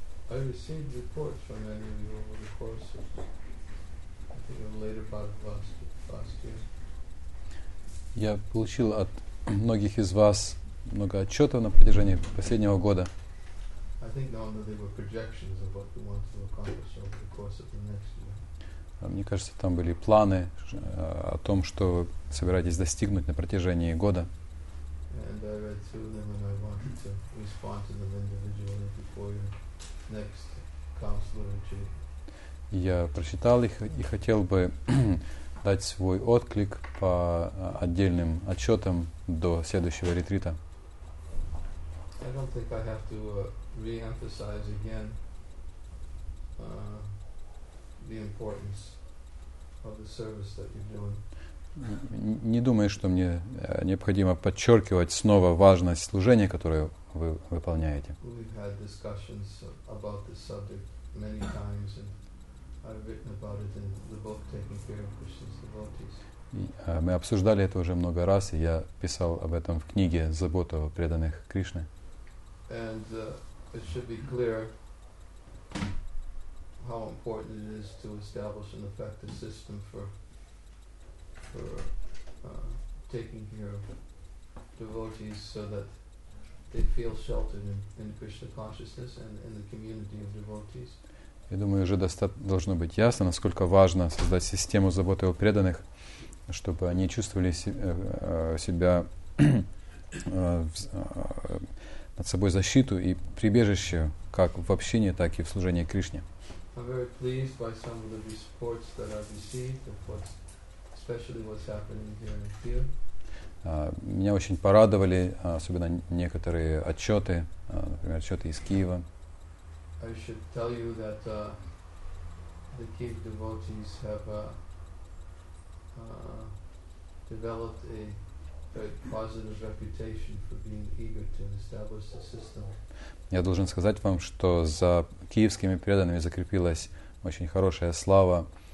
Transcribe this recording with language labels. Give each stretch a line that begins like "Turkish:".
English: I received reports from many of you over the course of, I think, in later part of last year.
Russian: Я получил от многих из вас много отчетов на протяжении последнего года.
English: I think now that they were projections of what we want to accomplish over the course of the next year.
Russian: Мне кажется, там были планы о том, что вы собираетесь достигнуть на протяжении года.
English: And I read through them and I wanted to respond to them individually before your next counselor in chief.
Russian: Я прочитал их и хотел бы дать свой отклик по отдельным отчетам до следующего ретрита.
English: I don't think I have to re-emphasize again the importance of the service that you're doing.
Russian: Не думаю, что мне необходимо подчеркивать снова важность служения, которое вы выполняете.
English: We've had discussions about this subject many times, and I've written about it in the book Taking Care of Krishna's Devotees.
Russian: Мы обсуждали это уже много раз, и я писал об этом в книге «Забота о преданных Кришне».
English: And it should be clear how important it is to establish an effective system for taking care of devotees so that they feel sheltered in Krishna consciousness and in the community of devotees.
Russian: Я думаю, уже должно быть ясно, насколько важно создать систему заботы о преданных, чтобы они чувствовали себя над собой защиту и прибежище как в общине, так и в служении Кришне.
English: I'm very pleased by some of the reports that I've received of what's especially what's happening here in Kyiv.
Russian: Меня очень порадовали, особенно некоторые отчеты, например, отчеты из Киева.
English: I should tell you that the Kyiv devotees have developed a very positive reputation for being eager to establish the system.
Russian: Я должен сказать вам, что за киевскими преданными закрепилась очень хорошая слава.